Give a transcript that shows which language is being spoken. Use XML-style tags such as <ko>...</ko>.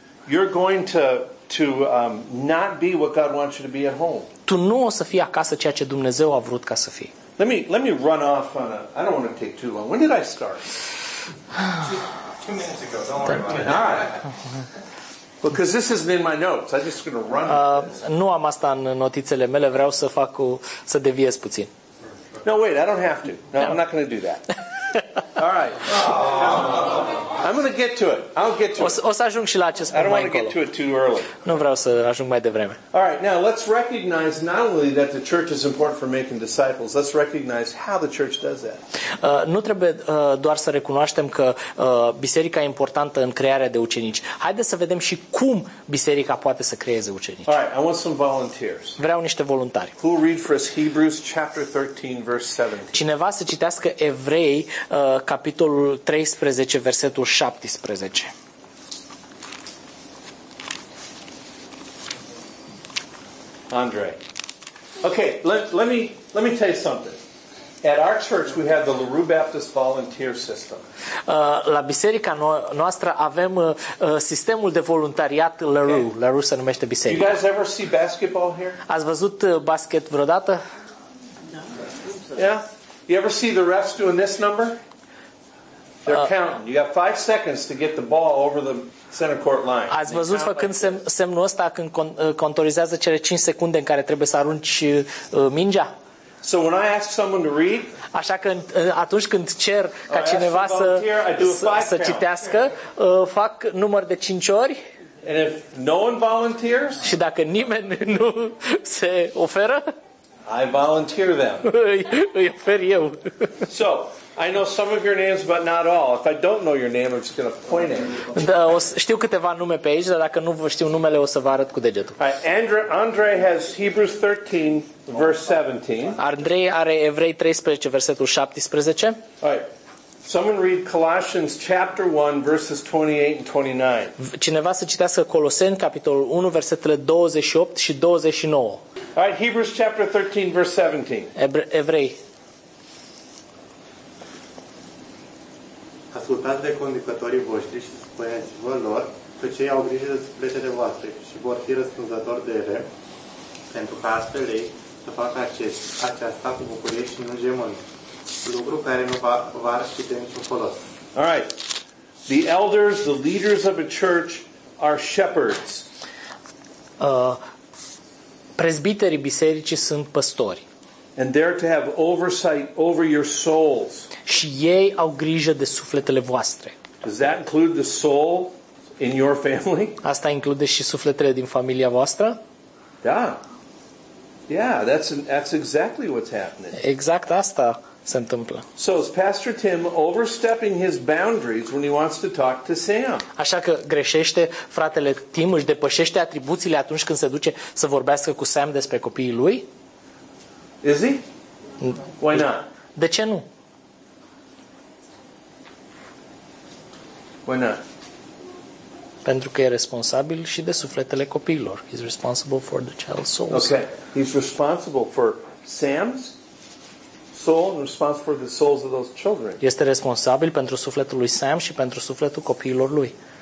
<en>you're going to not be what God wants you to be at home.</en> <ro>Tu nu o să fii acasă ceea ce Dumnezeu a vrut ca să fii.</ro> <en>Let me run off on a, I don't want to take too long. When did I start? 2 minutes ago. Don't worry about it. Because this isn't in my notes. I'm just going to run.</en> <ro>Nu am asta în notițele mele. Vreau să fac să deviez puțin.</ro> <en>No, wait, I don't have to. No, no. I'm not going to do that. All right. Oh. I'm going to get to it. I'll get to it.</en> <ro>O să ajung și la acest punct.</ro> <en>I don't want to get to it too early.</en> <ro>Nu vreau să ajung mai devreme.</ro> <en>All right. Now, let's recognize not only that the church is important for making disciples. Let's recognize how the church does that.</en> <ro>Nu trebuie doar să recunoaștem că biserica e importantă în crearea de ucenici. Haideți să vedem și cum biserica poate să creeze ucenici.</ro> <en>All right. I want some volunteers.</en> <ro>Vreau niște voluntari.</ro> <en>Who read for us Hebrews chapter 13 verse 17?</en> <ro>Cineva să citească Evrei capitolul 13, versetul 17. Andrei.</ro> <en>Okay, let me tell you something. At our church we have the LaRue Baptist Volunteer System.</en> <ro>La biserica noastră avem sistemul de voluntariat LaRue. Okay. LaRue se numește biserica.</ro> <en>You guys ever see basketball here?</en> <ro>Ați văzut basket vreodată?</ro> <en>Yeah. You ever see the refs doing this number? They're counting. You got 5 seconds to get the ball over the center court line.</en> <ro>Ați văzut făcând semnul ăsta când contorizează cele 5 secunde în care trebuie să arunci mingea?</ro> <en>So when I ask someone to read,</en> <ro>așa că atunci când cer ca cineva să citească, fac număr de 5 ori.</ro> <en>And if no one volunteers?</en> <ro>Și dacă nimeni nu se oferă?</ro> <en>I volunteer them.</en> <ro>Îi ofer eu.</ro> <en>So I know some of your names, but not all. If I don't know your name, I'm just going to point at you.</en> <ro>Știu câteva nume pe aici, dar dacă nu vă știu numele, o să vă arăt cu degetul.</ro> <en>Andrei has Hebrews 13, verse 17.</en> <ro>Andrei are Evrei 13, versetul 17.</ro> <en>All right. Someone read Colossians chapter 1 verses 28 and 29.</en> <ro>Cineva să citească Coloseni capitolul 1 versetele 28 și 29.</ro> <en>All right, Hebrews chapter 13 verse 17.</en> <ro>Evrei. Ascultați de conducătorii voștri și spuneți-vă lor că cei au grijă de sufletele voastre și vor fi răspunzători de ele, pentru că astfel ei să facă aceasta cu bucurie și nu gemând. Lucru care nu va arăta niciun folos.</ro> <en>All right. The elders, the leaders of a church are shepherds.</en> <ro>Presbiterii bisericii sunt păstori.</ro> <en>And they're to have oversight over your souls.</en> <ro>Și ei au grijă de sufletele voastre.</ro> <en>Does that include the soul in your family?</en> <ro>Asta include și sufletele din familia voastră? Da.</ro> <en>Yeah, that's exactly what's happening.</en> <ro>Exact asta se întâmplă.</ro> <en>So is Pastor Tim overstepping his boundaries when he wants to talk to Sam?</en> <ro>Așa că greșește fratele Tim, își depășește atribuțiile atunci când se duce să vorbească cu Sam despre copiii lui?</ro> <en>Is he? Why not?</en> <ro>De ce nu?</ro> <en>Why not?</en> <ro>Pentru că e responsabil și de sufletele copiilor.</ro> <en>He's responsible for the child's soul. Okay. He's responsible for Sam's soul and responsible for the souls of those children.</en> <ro>Este responsabil pentru sufletul lui Sam și pentru sufletul copiilor lui.</ro>